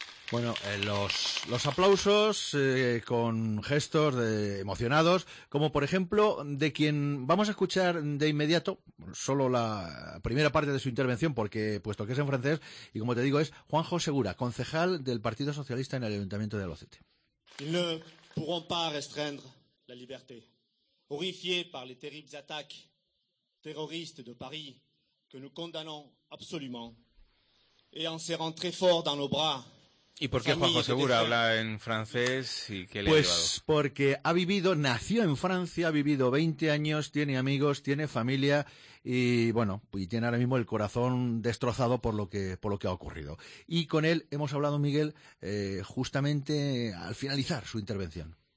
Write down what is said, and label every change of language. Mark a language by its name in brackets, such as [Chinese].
[Spanish] Bueno, los aplausos con gestos de emocionados, como por ejemplo de quien vamos a escuchar de inmediato, solo la primera parte de su intervención, porque puesto que es en francés, y como te digo, es Juanjo Segura, concejal del Partido Socialista en el Ayuntamiento de Albacete. [French] Ils ne pourront pas restreindre la liberté. Horrifiés par les terribles attaques terroristes de Paris, que nous condamnons absolument, et en serrant très fort dans nos bras. [Spanish] ¿Y por qué Juanjo Segura habla en francés y qué le pues ha llevado? Pues porque ha vivido, nació en Francia, ha vivido 20 años, tiene amigos, tiene familia y bueno, y tiene ahora mismo el corazón destrozado por lo que ha ocurrido. Y con él hemos hablado, Miguel, justamente al finalizar su intervención.